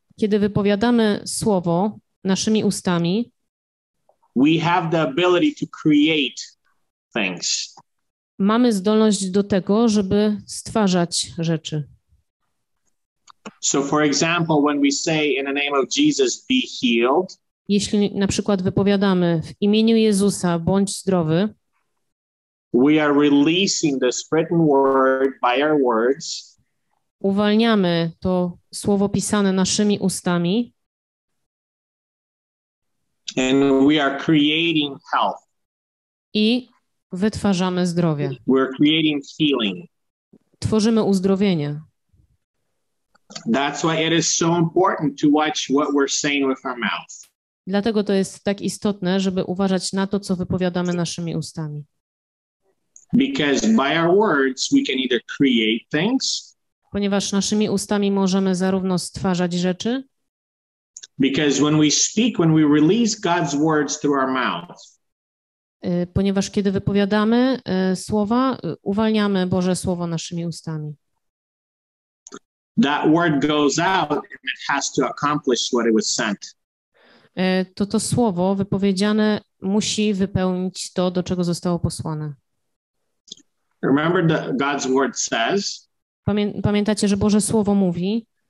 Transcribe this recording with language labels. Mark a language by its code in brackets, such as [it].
[pl] kiedy wypowiadamy Słowo naszymi ustami, [en] we have the ability to create things. [pl] Mamy zdolność do tego, żeby stwarzać rzeczy. [en] So for example, when we say in the name of Jesus, be healed. [pl] Jeśli na przykład wypowiadamy w imieniu Jezusa, bądź zdrowy. [en] We are releasing this written word by our words. [pl] Uwalniamy to słowo pisane naszymi ustami. [en] And we are creating health. [pl] I wytwarzamy zdrowie. [en] We're creating healing. [pl] Tworzymy uzdrowienie. [en] That's why it is so important to watch what we're saying with our mouth. [pl] Dlatego to jest tak istotne, żeby uważać na to, co wypowiadamy naszymi ustami. [en] Because by our words we can either create things. [pl] Ponieważ naszymi ustami możemy zarówno stwarzać rzeczy. [en] Because when we speak, when we release God's words through our mouth. [pl] Ponieważ kiedy wypowiadamy słowa, uwalniamy Boże Słowo naszymi ustami. [en] That word goes out and it has to accomplish what it was sent. [pl] To słowo wypowiedziane musi wypełnić to, do czego zostało posłane. [en] Remember that God's word says. [pl] Pamiętacie, że Boże Słowo mówi.